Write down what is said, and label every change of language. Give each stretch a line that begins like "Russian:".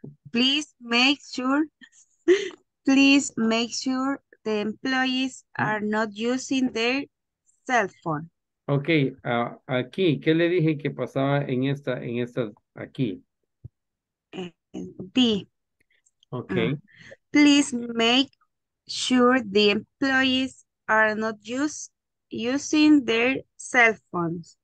English: Please make sure the employees are not using their cell phone.
Spanish: Okay, aquí, ¿qué le dije que pasaba en esta aquí? B.
English: Okay. Please make sure the employees are not using their cell phones.